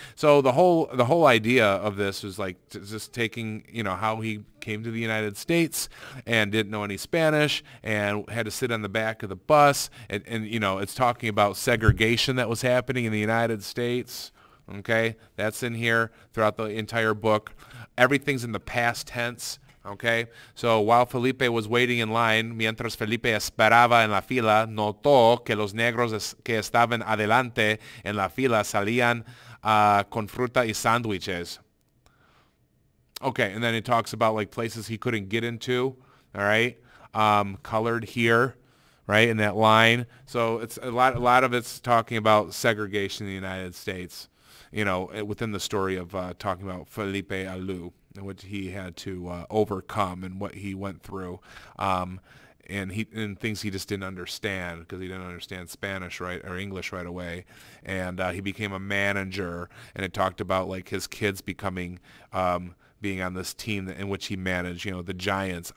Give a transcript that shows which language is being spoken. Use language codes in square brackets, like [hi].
[en] So the whole idea of this was just taking, you know, how he came to the United States and didn't know any Spanish and had to sit on the back of the bus. And you know, it's talking about segregation that was happening in the United States. Okay, that's in here throughout the entire book. Everything's in the past tense, okay? So while Felipe was waiting in line, [es] mientras Felipe esperaba en la fila, notó que los negros que estaban adelante en la fila salían con fruta y sándwiches. [en] Okay, and then it talks about, places he couldn't get into, all right? Colored here, right, in that line. So it's a lot of it's talking about segregation in the United States. You know, within the story of talking about Felipe Alou and what he had to overcome and what he went through, and things he just didn't understand because he didn't understand Spanish right or English right away, and he became a manager, and it talked about his kids becoming being on this team in which he managed, you know, the Giants.